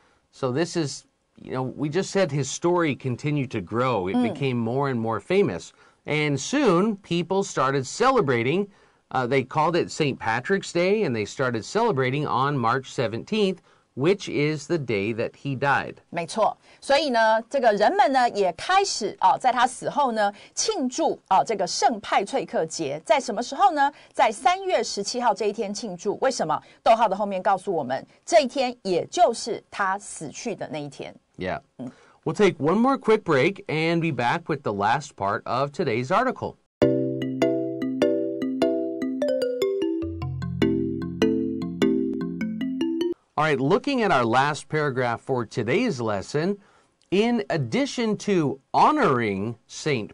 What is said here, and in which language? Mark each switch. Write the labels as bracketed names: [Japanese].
[English] So this is, you know, we just said his story continued to grow. It became more and more famous. And soon people started celebrating. They called it St. Patrick's Day, and they started celebrating on March 17th,Which is the day that he died. [Chinese] 没错，所以呢，这个人们呢也开始哦，在他死后呢，庆祝哦这个圣派翠克节。在什么时候呢？在三月十七号这一天庆祝。为什么？逗号的后面告诉我们，这一天也就是他死去的那一天。 Yeah. [English] We'll take one more quick break and be back with the last part of today's article. All right, looking at our last paragraph for today's lesson, in addition to honoring St.